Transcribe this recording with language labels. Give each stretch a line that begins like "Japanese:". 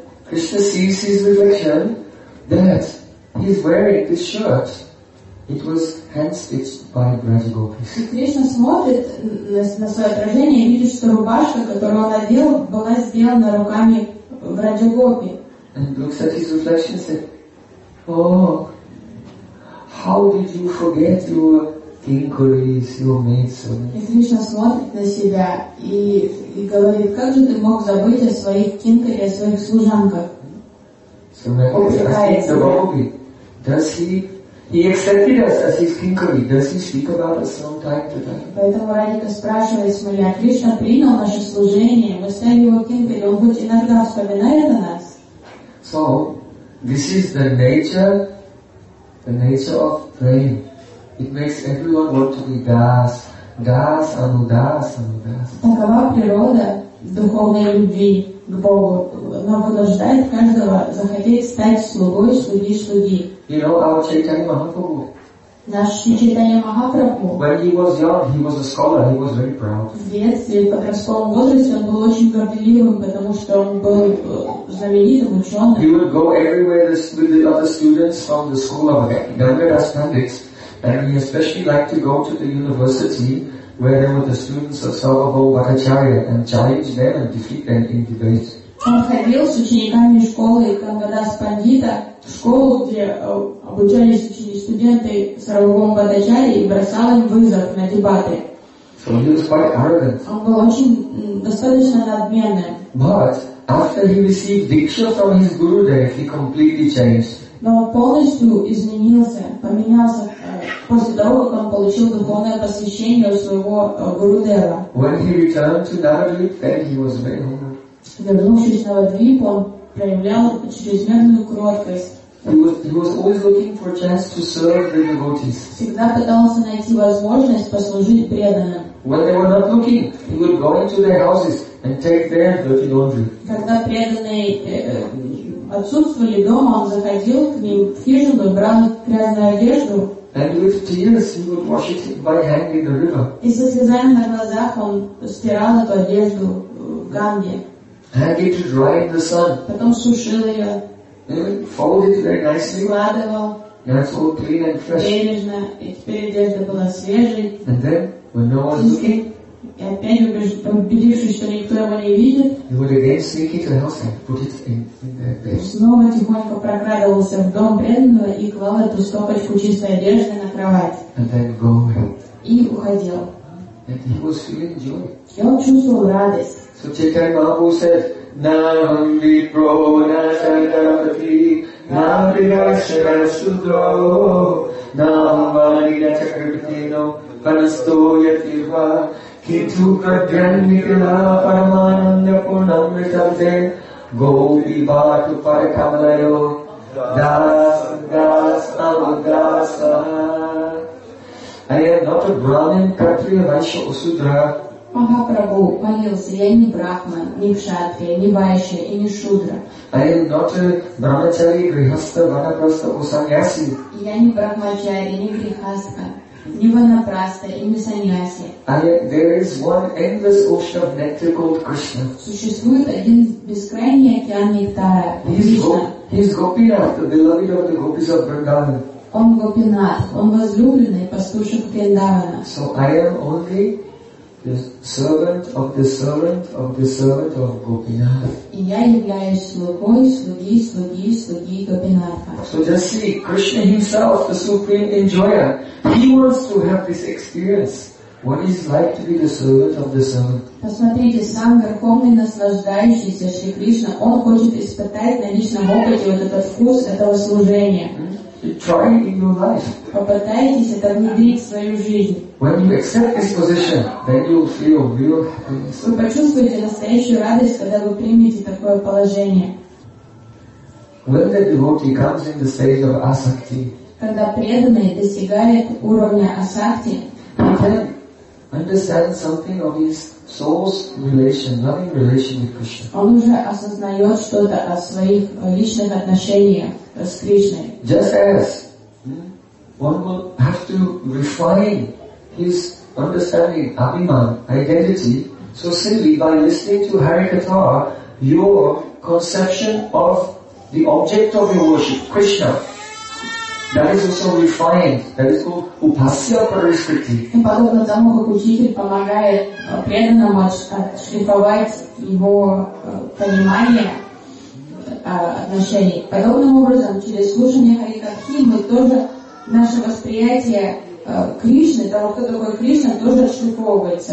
English: Krishna sees his reflection, that He's wearing this shirt. It was hence it's by Braja Gopis.
Russian: И Кришна смотрит на свое отражение и видит, что рубашка, которую он надел, была сделана руками Браджа Гопи.
English: And looks at his reflection and says, "Oh, how did you forget your inquiries, your maidservants?"
Russian: И Кришна смотрит на себя и говорит, как же ты мог забыть о своих кинкари, о своих служанках?
English: So the Gopi, does he accepted us as his kinkari? Does he speak about us from time to time?
Russian: Поэтому Радика спрашивает Смоля, Кришна принял наше служение, мы стали его кинкари, он будет иногда вспоминает о нас.
English: So this is the nature of praying. It makes everyone want to be das, das, anu das, anu das.
Russian: Такова природа духовной любви к Богу. Но вынуждает каждого захотеть стать слугой, слуги, слуги.
English: You know our Chaitanya Mahaprabhu.
Russian: Наш Чайтанья Махапрабху.
English: When he was young, he was a scholar. He was very proud.
Russian: В детстве, в подростковом возрасте, он был очень горделивым, потому что он был знаменитым ученым.
English: He would go everywhere with the other students from the school of Gangadas Pandits, and he especially liked to go to the university where there were the students of Sarvabhau Bhattacharya and challenge them and defeat them in debate.
Russian: Он ходил с учениками школы Гангадас Пандита в школу, где обучались студенты Сарвабхаум Бхаттачарья и бросал им вызов на дебаты.
English: So he was quite arrogant.
Russian: Он был очень достаточно надменным.
English: But after he received diksha from his Gurudev, he completely changed.
Russian: Но он полностью изменился, поменялся после того, как он получил духовное посвящение у своего Гурудева.
English: When he returned to Navadvip, then he was very humble.
Russian: Вернувшись на Вадвип, он проявлял чрезмерную кроткость. Всегда пытался найти возможность послужить преданным. Когда преданные отсутствовали дома, он заходил к ним в хижину и брал грязную одежду.
English: And with tears, he would wash it by hand in the river.
Russian: И со слезами на глазах он стирал эту одежду в Ганге.
English: Hang it to dry in the sun.
Russian: Потом сушил ее.
English: Fold it very nicely.
Russian: Складывал.
English: Now it's all clean and fresh.
Russian: Бережно. И теперь одежда была свежей.
English: And then, when no one's looking,
Russian: и опять убедившись, что никто его не видит,
English: he would again sneak into the house and put it in their bed.
Russian: Снова тихонько прокрадывался в дом преданного и клал эту стопочку чистой одежды на кровать.
English: And then go away.
Russian: И уходил.
English: And he was feeling joy.
Russian: И он чувствовал радость.
Sanskrit: So Chaitanya Mahaprabhu said, Nam vipro nasangarapati, nam vinashara sudro, nam vanina chakrapateno, panastoya tirva, kitu kadyan nikala paramananda punam vitamte, gopi vatu parakamalayo, dasa dasa.
English: I am not a Brahmin, Kshatriya, Vaishya, or Sudra.
Russian: Махапрабху молился, я не брахман, не кшатрия, не вайшья и не шудра.
English: I am not a брахмачари, грихаста, ванапраста, or саньяси.
Russian: Я не брахмачари, не грихаста, не ванапраста и не саньяси.
English: There is one endless ocean of nectar called Krishna.
Russian: Существует один бескрайний океан нектара.
English: He's Gopinath, the beloved of the gopis of Vrindavan.
Russian: Он Гопинат, он возлюбленный пастушек Вриндавана.
English: So I am only the servant of the servant of the servant of Gopinath.
Russian: И я являюсь слугой, слуги, слуги, слуги Гопинатха.
English: So just see, Krishna himself, the supreme enjoyer, he wants to have this experience. What is it like to be the servant of the servant?
Russian: Посмотрите, сам верховный наслаждающийся Шри Кришна, он хочет испытать на личном опыте вот этот вкус этого служения.
English: Try it in your life.
Russian: Попытайтесь это внедрить в свою жизнь.
English: When you accept this position, then you'll feel real happiness.
Russian: Вы почувствуете настоящую радость, когда вы примете такое положение.
English: When the devotee comes in the stage of asakti,
Russian: когда преданный достигает уровня асакти,
English: he can understand something of his soul's relation, loving relation with Krishna.
Russian: Он уже осознает что-то о своих личных отношениях.
English: Just as one will have to refine his understanding, abhiman, identity, so simply by listening to Harikatha, your conception of the object of your worship, Krishna, That is also refined. That is called upasya parishkriti.
Russian: И подобно тому, как учитель помогает преданному отшлифовать его понимание отношений. Подобным образом, через слушание Харикатхи, мы тоже наше восприятие Кришны, того, кто такой Кришна, тоже отшлифовывается.